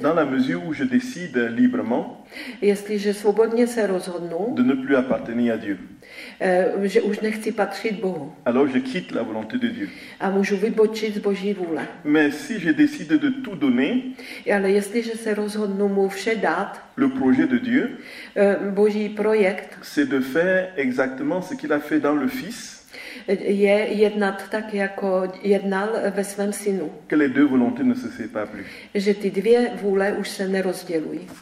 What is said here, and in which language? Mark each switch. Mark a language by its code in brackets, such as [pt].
[fr] dans la mesure où je décide librement, [cs] jestliže svobodně se rozhodnu, [fr] de ne plus appartenir à Dieu. [cs] Že už nechci patřit Bohu. [fr] Alors je quitte la volonté de Dieu. [cs] A můžu vybočit z Boží vůle. [fr] Mais si je décide de tout donner, [cs] ale jestliže se rozhodnu mu vše dát, [fr] le projet de Dieu, [cs] Boží projekt, [fr] c'est de faire exactement ce qu'il a fait dans le Fils, [cs] je jednat tak, jako jednal ve svém synu. [fr] Que les deux volontés ne se séparent plus. [cs] Že ty dvě vůle už se nerozdělují.